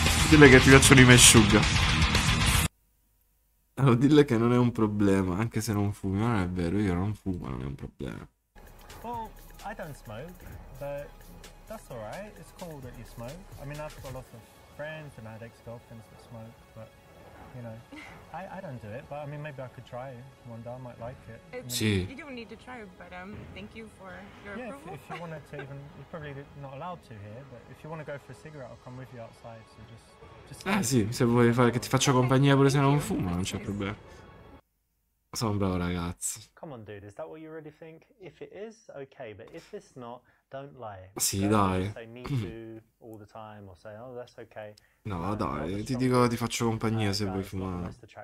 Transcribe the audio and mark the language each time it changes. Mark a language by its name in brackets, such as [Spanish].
[Italian] Dille che ti piacciono i Meshuggah. Allora, dille che non è un problema, anche se non fumi. Non è vero, io non fumo, non è un problema. [English] Well, I don't smoke, but... That's all right. It's cool that you smoke. I mean, I've got lots of friends and I had ex-girlfriends that smoke, but you know, I don't do it. But I mean, maybe I could try one day. I might like it. [Italian] Sì. [English] You don't need to try, but thank you for your approval. Yeah, if you wanted to, even you're probably not allowed to here. But if you want to go for a cigarette, I'll come with you outside. So just. [Italian] Ah sì, se vuoi fare che ti faccio compagnia pure se non fumo, non c'è problema. Sono un bravo ragazzo. [English] Come on, dude. Is that what you really think? If it is, okay. But if it's not. Don't lie. [Italian] Sì, dai. [English] All the time or say, oh, that's okay. [Italian] No, dai, ti dico, ti faccio compagnia se vuoi fumare.